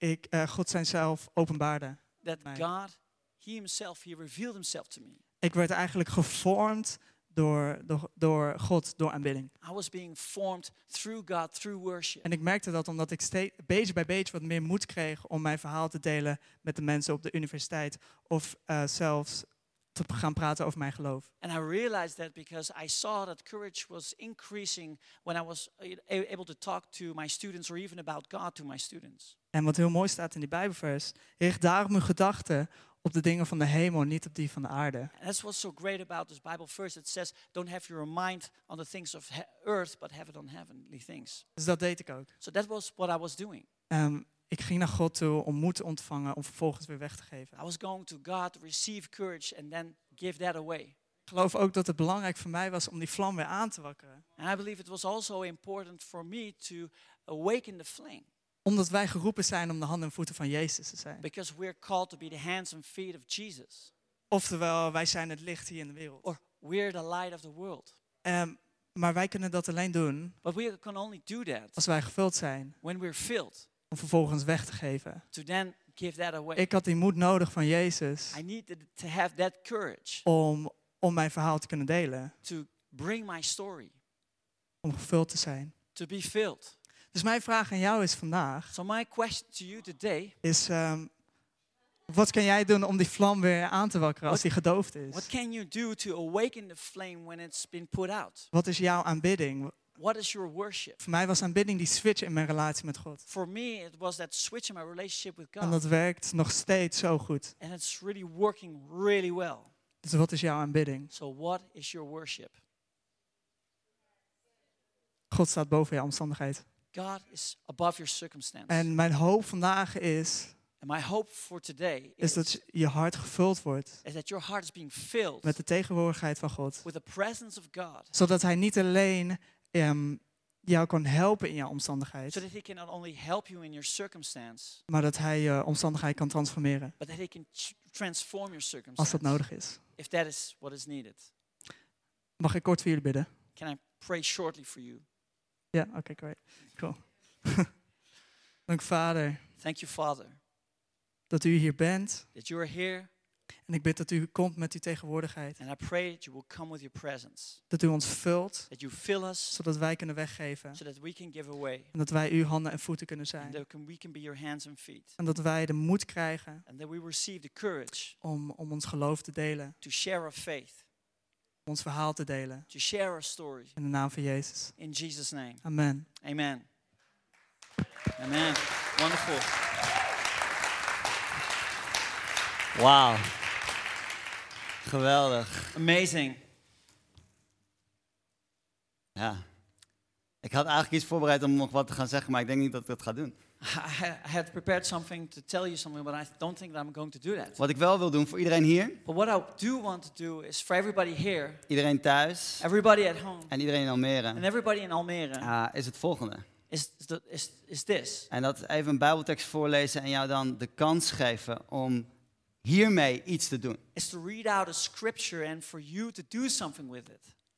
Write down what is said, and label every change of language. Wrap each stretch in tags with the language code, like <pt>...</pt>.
<nl>God zijn zelf openbaarde.</nl> <en>That God, He Himself, He revealed Himself to me.</en> <nl>Ik werd eigenlijk gevormd door God, door aanbidding.</nl> <en>I was being formed through God, through worship.</en> <nl>En ik merkte dat omdat ik steeds beetje bij beetje wat meer moed kreeg om mijn verhaal te delen met de mensen op de universiteit of zelfs te gaan praten over mijn geloof.</nl> <en>And I realized that because I saw that courage was increasing when I was able to talk to my students or even about God to my students.</en> <nl>En wat heel mooi staat in die Bijbelvers, richt daarom uw gedachten op de dingen van de hemel, niet op die van de aarde.</nl> <en>That's what's so great about this Bible verse. It says, don't have your mind on the things of earth, but have it on heavenly things.</en> <nl>Dus dat deed ik ook.</nl> <en>So that was what I was doing.</en> <nl>Ik ging naar God toe om moed te ontvangen, om vervolgens weer weg te geven.</nl> <en>I was going to God to receive courage and then give that away.</en> <nl>Ik geloof ook dat het belangrijk voor mij was om die vlam weer aan te wakkeren.</nl> <en>And I believe it was also important for me to awaken the flame.</en> <nl>Omdat wij geroepen zijn om de handen en voeten van Jezus te zijn.</nl> <en>Because we're called to be the hands and feet of Jesus.</en> <nl>Oftewel, wij zijn het licht hier in de wereld.</nl> <en>Or we're the light of the world.</en> <nl>Maar wij kunnen dat alleen doen.</nl> <en>But we can only do that.</en> <nl>Als wij gevuld zijn.</nl> <en>When we're filled.</en> <nl>Om vervolgens weg te geven.</nl> <en>To then give that away.</en> <nl>Ik had die moed nodig van Jezus.</nl> <en>I needed to have that courage.</en> <nl>Om mijn verhaal te kunnen delen.</nl> <en>To bring my story.</en> <nl>Om gevuld te zijn.</nl> <en>To be filled.</en> <nl>Dus mijn vraag aan jou is vandaag.</nl> <en>So my question to you today</en> <nl>is wat kan jij doen om die vlam weer aan te wakkeren als die gedoofd is?</nl> <en>What can you do to awaken the flame when it's been put out?</en> <nl>Wat is jouw aanbidding?</nl> <en>What is your worship?</en> <nl>Voor mij was aanbidding die switch in mijn relatie met God.</nl> <en>For me it was that switch in my relationship with God.</en> <nl>En dat werkt nog steeds zo goed.</nl> <en>And it's really working really well.</en> <nl>Dus wat is jouw aanbidding?</nl> <en>So what is your worship?</en> <nl>God staat boven je omstandigheid.</nl> <en>God is above your circumstances.</en> <nl>En mijn hoop vandaag is.</nl> <en>And my hope for today</en> <nl>is dat je hart gevuld wordt.</nl> <en>Is that your heart is being filled.</en> <nl>Met de tegenwoordigheid van God.</nl> <en>With the presence of God.</en> <nl>Zodat Hij niet alleen jou kan helpen in jouw omstandigheid.</nl> <en>So that He can not only help you in your circumstance.</en> <nl>Maar dat Hij je omstandigheid kan transformeren.</nl> <en>But that He can transform your circumstances.</en> <nl>Als dat nodig is.</nl> <en>If that is what is needed.</en> <nl>Mag ik kort voor jullie bidden?</nl> <en>Can I pray shortly for you?</en> <nl>Ja, yeah, oké, great. Cool. Dank Vader.</nl> <en>Thank you, Father.</en> <nl>Dat u hier bent.</nl> <en>That you are here.</en> <nl>En ik bid dat u komt met uw tegenwoordigheid.</nl> <en>And I pray that you will come with your presence.</en> <nl>Dat u ons vult.</nl> <en>That you fill us.</en> <nl>Zodat wij kunnen weggeven.</nl> <en>So that we can give away.</en> <nl>En dat wij uw handen en voeten kunnen zijn.</nl> <en>And that we can be your hands and feet.</en> <nl>En dat wij de moed krijgen.</nl> <en>And that we receive the courage.</en> <nl>Om ons geloof te delen.</nl> <en>To share our faith.</en> <nl>Ons verhaal te delen.</nl> <en>To share our story.</en> <nl>In de naam van Jezus.</nl> <en>In Jesus' name. Amen. Amen. Amen. Wonderful.</en> <nl>Wow. Geweldig.</nl> <en>Amazing.</en> <nl>Ja. Ik had eigenlijk iets voorbereid om nog wat te gaan zeggen, maar ik denk niet dat ik dat ga doen.</nl> <en>I had prepared something to tell you something, but I don't think that I'm going to do that.</en> <nl>Wat ik wel wil doen voor iedereen hier.</nl> <en>But what I do want to do is for everybody here.</en> <nl>Iedereen thuis.</nl> <en>Everybody at home.</en> <nl>En iedereen in Almere.</nl> <en>And everybody in Almere.</en> <nl>Is het volgende.</nl> <en>Is this.</en> <nl>En dat even een Bijbeltekst voorlezen en jou dan de kans geven om hiermee iets te doen.</nl> <en>Is to read out a scripture and for you to do something with it.</en>